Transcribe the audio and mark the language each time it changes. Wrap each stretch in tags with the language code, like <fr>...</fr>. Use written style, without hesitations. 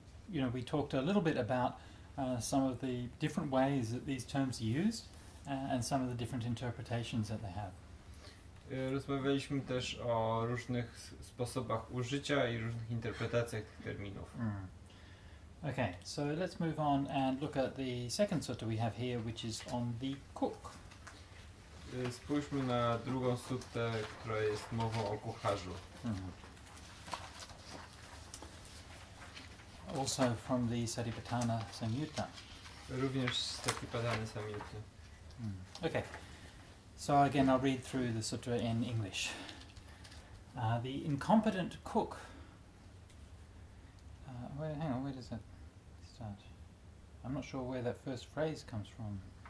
<en>We talked a little bit about some of the different ways that these terms are used and some of the different interpretations that they have.</en> <pl>Rozmawialiśmy też o różnych sposobach użycia i różnych interpretacjach tych terminów.</pl> <en>Okay, so let's move on and look at the second sutta we have here, which is on the cook.</en> <pl>Spójrzmy na drugą sutę, która jest mową o kucharzu.</pl> <en>Also from the Satipatthana Samyutta.</en> <pl>Również z Satipatthana Samyutta. Okay.</pl> <en>So again, I'll read through the sutra in English. The incompetent cook. Where does that start? I'm not sure where that first phrase comes from.</en>